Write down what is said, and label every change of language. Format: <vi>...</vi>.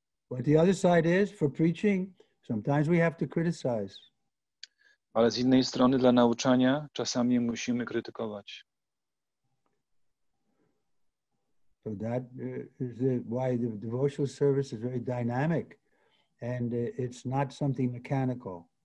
<en>But the other side is, for preaching, sometimes we have to criticize.</en> <pl>Ale z innej strony dla nauczania czasami musimy krytykować.</pl> <en>So that is why the devotional service is very dynamic. And it's not something mechanical.</en>